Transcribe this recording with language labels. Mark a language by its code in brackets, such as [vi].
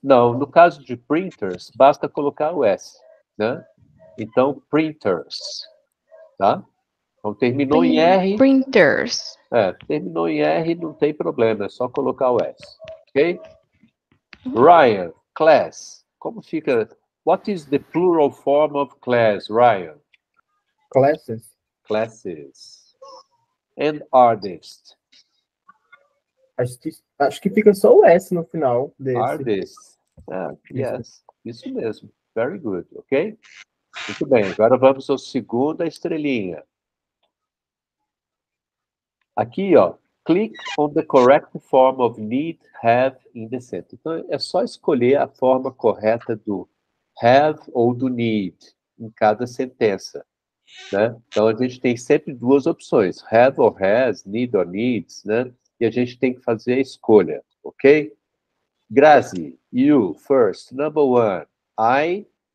[pt] Não, no caso de printers, basta colocar o S, né? Então, printers, tá? Então, terminou em R. Printers. É, terminou em R, não tem problema, é só colocar o S, ok? Ryan, class. Como fica... [en] What is the plural form of class, Ryan? Classes. Classes. And artist. [pt] Acho que fica só o S no final desse. [en] Artist. Ah, yes, [pt] isso mesmo. [en] Very good, ok? [pt] Muito bem, agora vamos ao segunda estrelinha. Aqui, ó, [en] click on the correct form of need, have, in the sentence. [pt] Então, é só escolher a forma correta do have ou do need em cada sentença, né? Então, a gente tem sempre duas opções, [en] have or has, need or needs, [pt] né? E a gente tem que fazer a escolha, ok? [en] Grazi, you, first, number one, I...